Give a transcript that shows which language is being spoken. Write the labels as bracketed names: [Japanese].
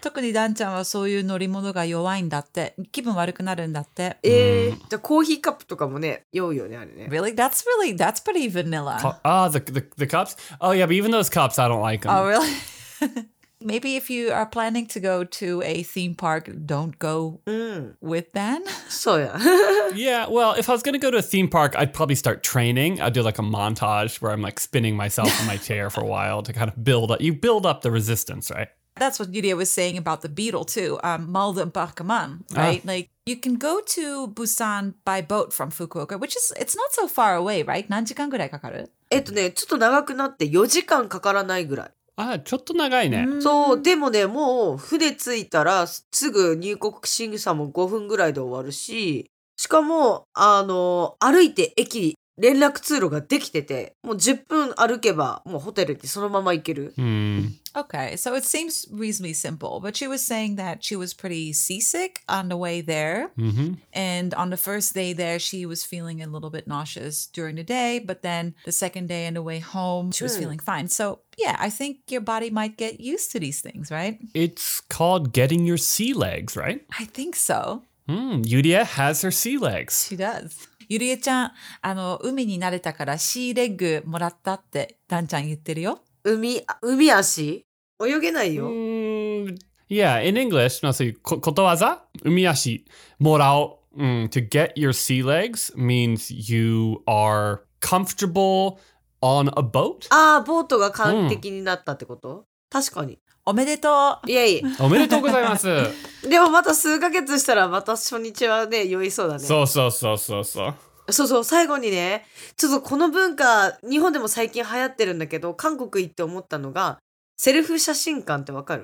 [Japanese] 特にダンちゃんはそういう乗り物が弱いんだって。気分悪くなるんだって。じゃあコーヒーカップとかもね、酔うよねあれね。 [English] Really? That's pretty vanilla. The cups? Oh yeah, but even those cups, I don't like them. Oh really? Maybe if you are planning to go to a theme park, don't go with Dan. So yeah. Yeah, well, if I was going to go to a theme park, I'd probably start training. I'd do like a montage where I'm like spinning myself in my chair for a while to kind of build up. You build up the resistance, right? That's what Yuria was saying about the beetle too. Mal de Barkaman, right? Like you can go to Busan by boat from Fukuoka, which is, it's not so far away, right? [Japanese] 何時間ぐらいかかる? ね、ちょっと長くなって4時間かからないぐらい。ああちょっと長いね。そうでもねもう船着いたらすぐ入国審査も5分ぐらいで終わるし、しかも歩いて駅連絡通路ができてて、もう10分歩けばもうホテルにそのまま行ける。 [English] Okay, so it seems reasonably simple, but she was saying that she was pretty seasick on the way there, and on the first day there, she was feeling a little bit nauseous during the day, but then the second day on the way home, she was feeling fine. So yeah, I think your body might get used to these things, right? It's called getting your sea legs, right? I think so. Yuria has her sea legs. She does. [Japanese] Yuria-chan, 海に慣れたからシーレッグもらったってダンちゃん言ってるよ。海足泳げないよ。 [English] Yeah, in English, [Japanese] ことわざ海足もらおう。 [English] To get your sea legs means you are comfortable on a boat. [Japanese] ああ、ボートが完璧になったってこと、確かに。おめでとう。イエイ。おめでとうございます。でもまた数ヶ月したらまた初日はね、酔いそうだね。そうそうそうそうそう。そうそう、最後にね、ちょっとこの文化、日本でも最近流行ってるんだけど、韓国行って思ったのが、セルフ写真館ってわかる？